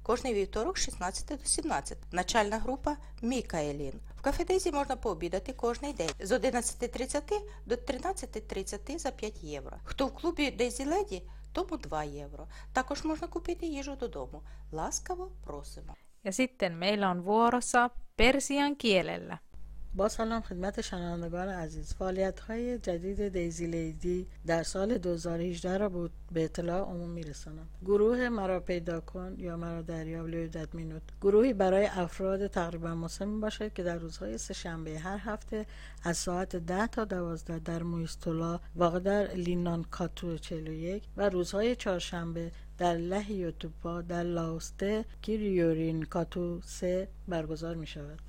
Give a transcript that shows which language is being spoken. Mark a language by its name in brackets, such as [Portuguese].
[Ukrainian] Кожний вівторок з 16 до 17. Начальна група Мікаелін. В кафе Дейзі можна пообідати кожний день. З 11.30 до 13.30 за 5 євро. Хто в клубі Дейзі Леді, тому 2 евро. Також можна купити їжу додому. Ласкаво просимо. [Finnish] Ja sitten meillä on vuorossa persian kielellä. [Persian] با سلام خدمت شنوندگان عزیز، فعالیت‌های جدید دیزی لیدی در سال 2018 را به اطلاع عموم می‌رسانم. گروه مرا پیدا کن یا مرا دریاب لیدت مینوت. گروهی برای افراد تقریبا مسن باشد که در روزهای سه شنبه هر هفته از ساعت 10 تا 12 در مویستولا واقع در لینان کاتو 41 و روزهای چهارشنبه در لهیوتوپا در لاوسته کیریورین کاتو 3 برگزار می شود.